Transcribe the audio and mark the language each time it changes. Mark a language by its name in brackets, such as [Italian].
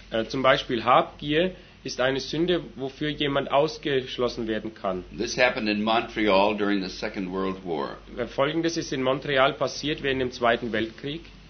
[German] Zum Beispiel Habgier ist eine Sünde, wofür jemand ausgeschlossen werden kann. [English] This happened in Montreal during the Second World War. [German] Folgendes ist in Montreal passiert während dem Zweiten Weltkrieg.